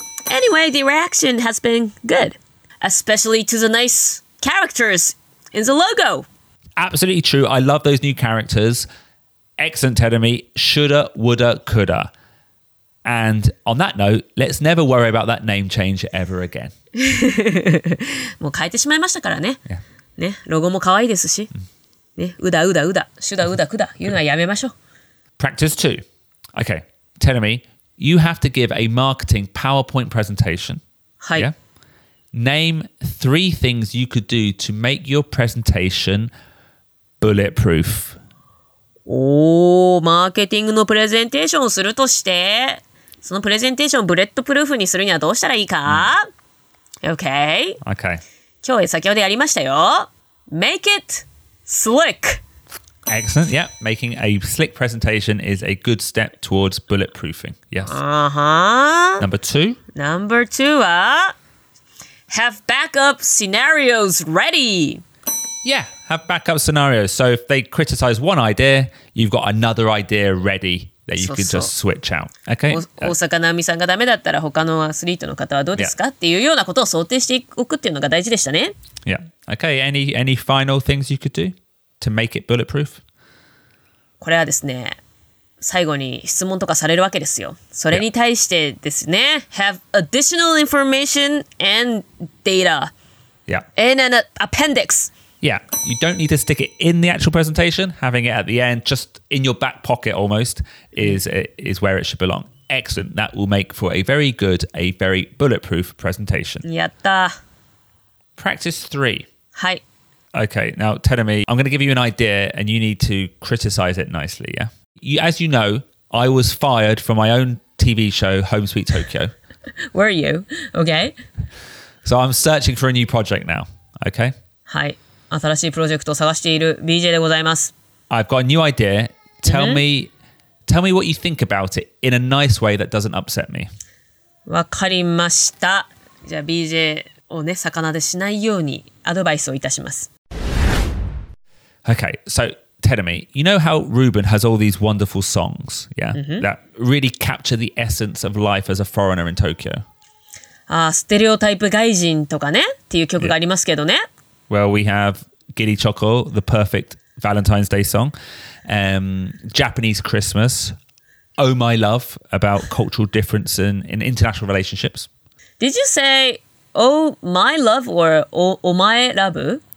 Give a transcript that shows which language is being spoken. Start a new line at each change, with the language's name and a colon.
English: Anyway, the reaction has been good, especially to the nice characters in the logo. Absolutely true. I love those new characters. Excellent, Teremi. Shoulda, woulda, coulda. And on that note, let's never worry about that name change ever again.
Japanese: もう変えてしまいましたからね。
English: Yeah.
Japanese: ね、ロゴも可愛いですし。ね、うだうだうだ、しゅだうだくだ、言うのはやめましょう。
English: Practice two. Okay, Teremi, you have to give a marketing PowerPoint presentation.
Japanese: はい。
English: Yeah? Name three things you could do to make your presentation bulletproof.
Japanese: おー、マーケティングのプレゼンテーションをするとして、そのプレゼンテーションをブレットプルーフにするにはどうしたらいいか、うん、?
English: Okay. Okay.
Japanese: 今日先ほどやりましたよ。
English: Make it slick. Excellent. Yeah. Making a slick presentation is a good step towards bulletproofing. Yes. Uh-huh. Number two. Number two
Japanese: は、
English: Have backup scenarios ready. Yeah, have backup scenarios. So if they criticize one idea, you've got another idea ready that you can just switch out. Okay.
Japanese: 大坂なおみさんがダメだったら他のアスリートの方はどうですか、
English: yeah.
Japanese: っていうようなことを想定しておくっていうのが大事でしたね。
English: Yeah. Okay. Any final things you could do to make it bulletproof?
Japanese: これはですね、最後に質問とかされるわけですよ。それに対してですね、
English: yeah. have additional information and data. Yeah. And an appendix. Yeah, you don't need to stick it in the actual presentation. Having it at the end, just in your back pocket almost, is where it should belong. Excellent. That will make for a very good, a very bulletproof presentation.
Japanese: Yatta.
English: Practice three.
Japanese: Hai.
English: Okay, now Terumi, I'm going to give you an idea and you need to criticize it nicely, yeah? As you know, I was fired from my own TV show, Home Sweet Tokyo. Were you? Okay. So I'm searching for a new project now, okay?
Japanese: Hai. 新しいプロジェクトを探している BJ でございます。
English: I've got a new idea. Tell me what you think about it in a nice way that doesn't upset me.
Japanese: わかりました。じゃあ BJ をね、魚でしないようにアドバイスをいたします。
English: Okay, so tell me, you know how Ruben has all these wonderful songs, yeah? Mm-hmm. That really capture the essence of life as a foreigner in Tokyo.
Japanese: ああ、ステレオタイプ外人とかね、っていう曲がありますけどね。
English: Yeah. Well, we have Giri Choco, the perfect Valentine's Day song. Japanese Christmas. Oh My Love, about cultural difference in international relationships. Did you say Oh My Love or Oh My Love?